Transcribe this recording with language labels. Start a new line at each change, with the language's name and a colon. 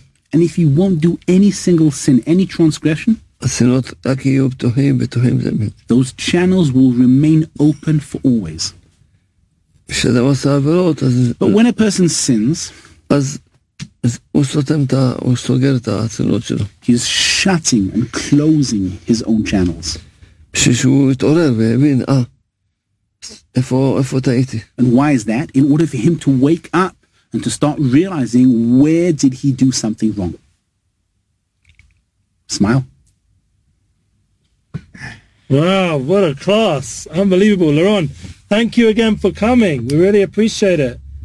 English: And if he won't do any single sin, any transgression, those channels will remain open for always. But when a person sins, he's shutting and closing his own channels.
Hebrew: שהוא התעורר והבין, אה, איפה טעיתי?
English: And why is that? In order for him to wake up and to start realizing where did he do something wrong. Smile. Wow, what a class. Unbelievable. Laron, thank you again for coming. We really appreciate it.